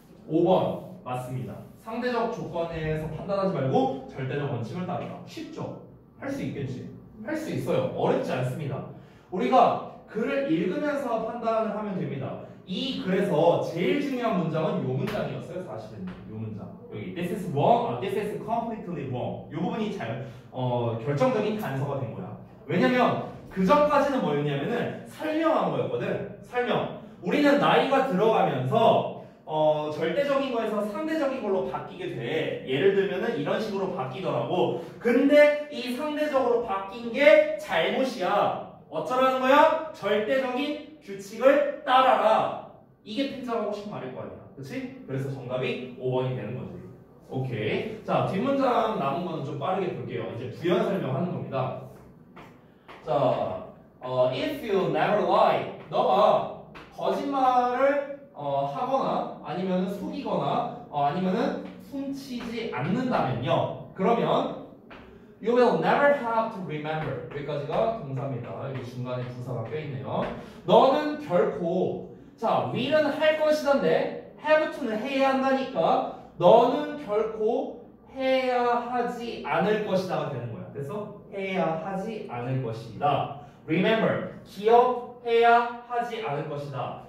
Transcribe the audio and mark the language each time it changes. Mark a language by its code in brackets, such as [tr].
[ko] 5번. 맞습니다. 상대적 조건에서 판단하지 말고 절대적 원칙을 따르라. 쉽죠? 할 수 있겠지? 할 수 있어요. 어렵지 않습니다. 우리가 글을 읽으면서 판단을 하면 됩니다. 이 글에서 제일 중요한 문장은 요 문장이었어요. 사실은 요 문장. 여기 [en] this is wrong, this is completely wrong. [ko] 요 부분이 잘 결정적인 단서가 된 거야. 왜냐면 그 전까지는 뭐였냐면은 설명한 거였거든. 설명. 우리는 나이가 들어가면서 절대적인 거에서 상대적인 걸로 바뀌게 돼. 예를 들면은 이런 식으로 바뀌더라고. 근데 이 상대적으로 바뀐 게 잘못이야. 어쩌라는 거야? 절대적인 규칙을 따라라. 이게 필자라고 하고 싶은 말일 거 아니야. 그치? 그래서 정답이 5번이 되는 거지. 오케이. 자, 뒷문장 남은 거는 좀 빠르게 볼게요. 이제 부연 설명하는 겁니다. 자, [en] if you never lie, [ko] 너가 거짓말을 하거나 아니면 속이거나 아니면 숨치지 않는다면요. 그러면 [en] You will never have to remember. [ko] 여기까지가 동사입니다. 여기 중간에 부사가 껴있네요. 너는 결코, 자, will은 할 것이던데, have to는 해야 한다니까, 너는 결코 해야 하지 않을 것이다가 되는 거야. 그래서 해야 하지 않을 것이다. Remember, 기억해야 하지 않을 것이다.